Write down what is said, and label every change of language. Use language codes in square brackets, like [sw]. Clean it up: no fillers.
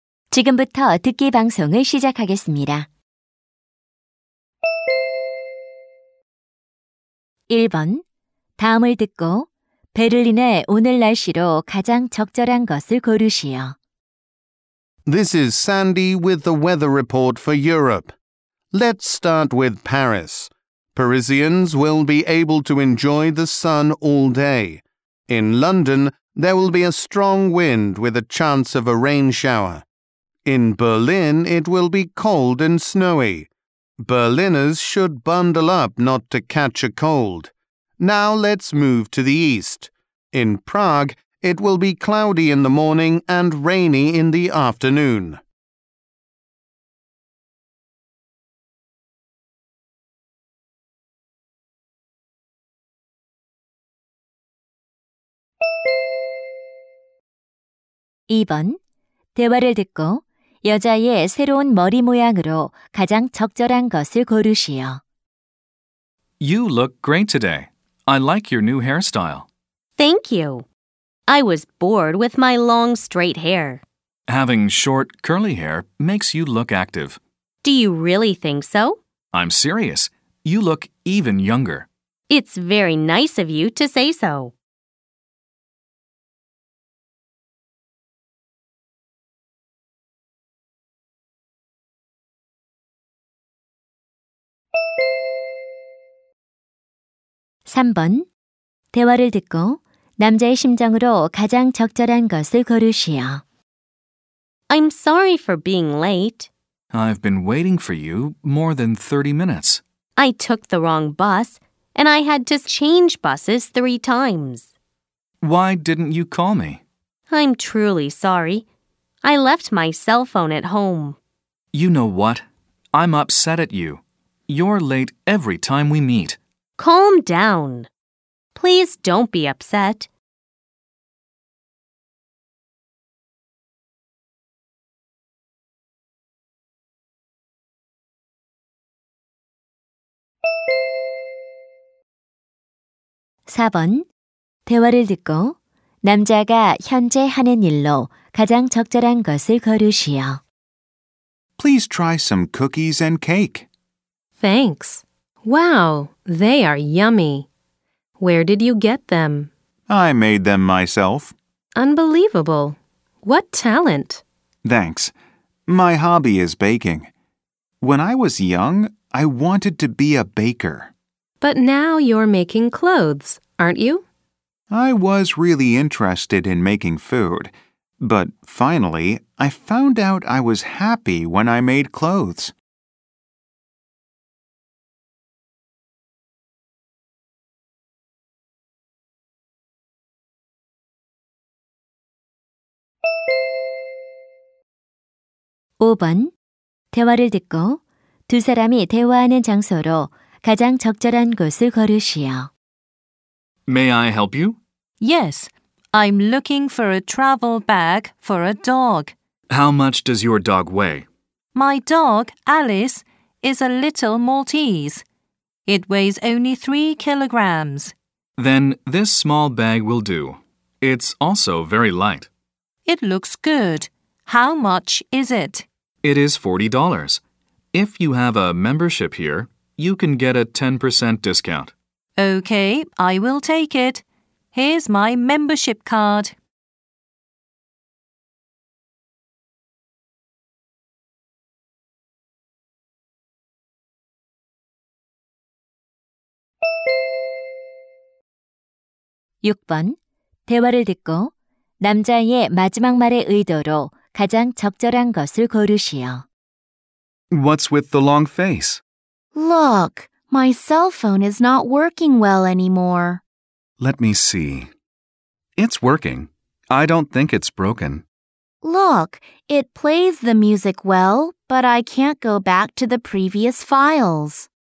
[ko] 지금부터 듣기 방송을 시작하겠습니다. 1번 다음을 듣고 베를린의 오늘 날씨로 가장 적절한 것을 고르시오. [en] This is Sandy with the weather report for Europe. Let's start with Paris. Parisians will be able to enjoy the sun all day. In London, there will be a strong wind with a chance of a rain shower. In Berlin, it will be cold and snowy. Berliners should bundle up not to catch a cold. Now let's move to the east. In Prague, it will be cloudy in the morning and rainy in the afternoon. [ko] 2번 대화를 듣고 여자의 새로운 머리 모양으로 가장 적절한 것을 고르시오. [en] You look great today. I like your new hairstyle. Thank you. I was bored with my long straight hair. Having short, curly hair makes you look active. Do you really think so? I'm serious. You look even younger. It's very nice of you to say so. [ko] 3번 대화를 듣고 남자의 심정으로 가장 적절한 것을 고르시오. [en] I'm sorry for being late. I've been waiting for you more than 30 minutes. I took the wrong bus and I had to change buses 3 times. Why didn't you call me? I'm truly sorry. I left my cell phone at home. You know what? I'm upset at you. You're late every time we meet. Calm down. Please don't be upset. [ko] 4번 대화를 듣고 남자가 현재 하는 일로 가장 적절한 것을 고르시오. [en] Please try some cookies and cake. Thanks. Wow, they are yummy. Where did you get them? I made them myself. Unbelievable. What talent. Thanks. My hobby is baking. When I was young, I wanted to be a baker. But now you're making clothes, aren't you? I was really interested in making food. But finally, I found out I was happy when I made clothes. [ko] 5번 대화를 듣고 두 사람이 대화하는 장소로 가장 적절한 곳을 고르시오. [en] May I help you? Yes, I'm looking for a travel bag for a dog. How much does your dog weigh? My dog, Alice, is a little Maltese. It weighs only 3 kilograms. Then this small bag will do. It's also very light. It looks good. How much is it? It is $40. If you have a membership here, you can get a 10% discount. Okay, I will take it. Here's my membership card. [ko] 6번 대화를 듣고 남자의 마지막 말의 의도로 가장 적절한 것을 고르시오. [en] What's with the long face? Look, my cell phone is not working well anymore. Let me see. It's working. I don't think it's broken. Look, it plays the music well, but I can't go back to the previous files.